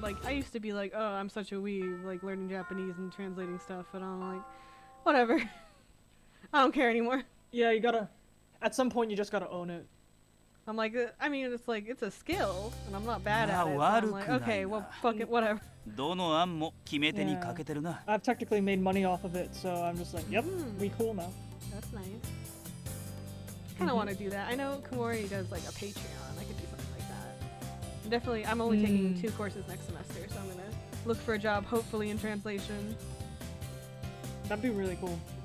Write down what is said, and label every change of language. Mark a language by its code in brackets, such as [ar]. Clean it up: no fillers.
[en] Like, I used to be like, oh, I'm such a weeb, like learning Japanese and translating stuff, but I'm like, whatever. I don't care anymore. Yeah, you gotta, at some point, you just gotta own it. I'm like, I mean, it's like, it's a skill, and I'm not bad at it. So I'm like, okay, well, fuck it, whatever. [ja] どの案も決め手にかけてるな。 [en] Yeah. I've technically made money off of it, so I'm just like, yep, we cool now. That's nice. I kind of want to do that. I know Komori does like a Patreon. I could do something like that. And definitely, I'm only taking two courses next semester, so I'm going to look for a job, hopefully, in translation. That'd be really cool.